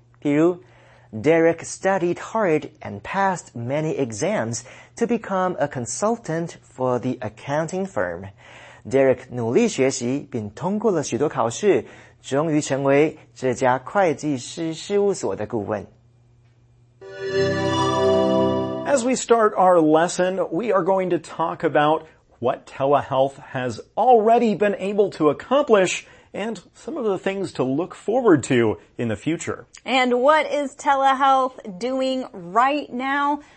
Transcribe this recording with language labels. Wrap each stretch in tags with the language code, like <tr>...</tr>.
<zh>譬如</zh> <en>Derek studied hard and passed many exams to become a consultant for the accounting firm.</en> <zh>Derek 努力学习并通过了许多考试，终于成为这家会计师事务所的顾问。</zh> <en>As we start our lesson, we are going to talk about what telehealth has already been able to accomplish. And some of the things to look forward to in the future. And what is telehealth doing right now?</en>